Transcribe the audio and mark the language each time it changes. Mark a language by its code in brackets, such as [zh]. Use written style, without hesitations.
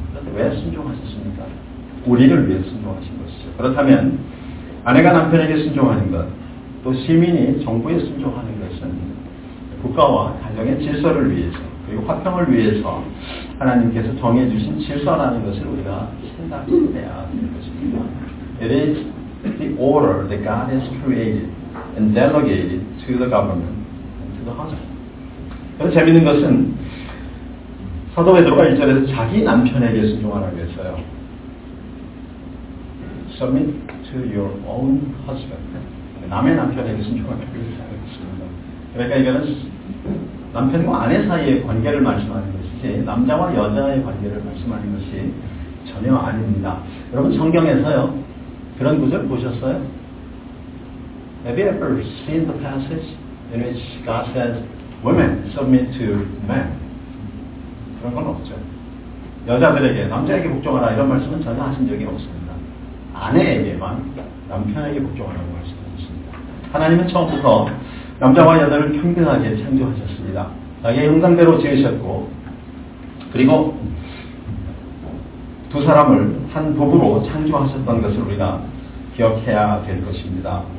[ko] 그런데 왜 순종하셨습니까? 우리를 위해 순종하신 것이죠. 그렇다면 아내가 남편에게 순종하는 것, 또 시민이 정부에 순종하는 것은 국가와 가정의 질서를 위해서, 그리고 화평을 위해서 하나님께서 정해주신 질서라는 것을 우리가 생각해야 될 것입니다. [en] It is the order that God has created and delegated to the government and to the husband. [ko] 그런데 재미있는 것은 사도 베드로가 1절에서 자기 남편에게 순종하라고 했어요. [en] Submit to your own husband. [ko] 남의 남편에게 순종하라고 했습니다. 그러니까 이거는 남편과 아내 사이의 관계를 말씀하는 것이지 남자와 여자의 관계를 말씀하는 것이 전혀 아닙니다. 여러분 성경에서요 그런 구절 보셨어요? [en] Have you ever seen the passage in which God says women submit to men? [ko] 그런 건 없죠. 여자들에게 남자에게 복종하라 이런 말씀은 전혀 하신 적이 없습니다. 아내에게만 남편에게 복종하라고 말씀하셨습니다. 하나님은 처음부터 남자와 여자를 평등하게 창조하셨습니다. 자기의 형상대로 지으셨고 그리고 두 사람을 한 부부로 창조하셨던 것을 우리가 기억해야 될 것입니다.